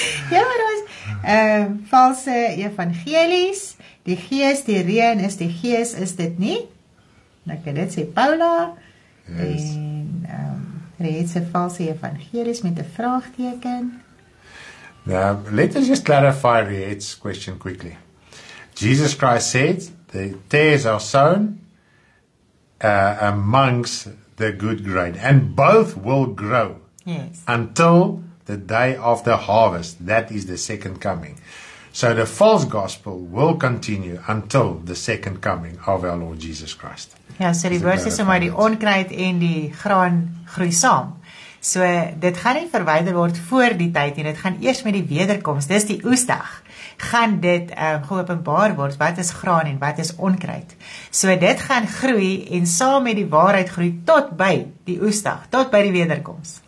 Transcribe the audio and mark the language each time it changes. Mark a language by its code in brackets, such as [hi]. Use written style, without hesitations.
[af] Ja, maar ons valse evangelies. Die gees, die reën is die gees, is dit nie? Okay, dit sê Paula. [en] Yes. [af] En reed sê valse evangelies met 'n vraagteken. [en] Now, let us just clarify Riet's question quickly. Jesus Christ said, the tares are sown amongst the good grain, and both will grow, yes, until the day of the harvest. That is the second coming. So the false gospel will continue until the second coming of our Lord Jesus Christ. [af] Yeah, so die verse is om die onkruid en die graan groei saam. So, dit gaan nie verwyder word voor die tyd nie, dit gaan eers met die wederkoms, dis die oesdag, gaan dit geopenbaar word, wat is graan en wat is onkruid. So, dit gaan groei en saam met die waarheid groei tot by die oesdag, tot by die wederkoms.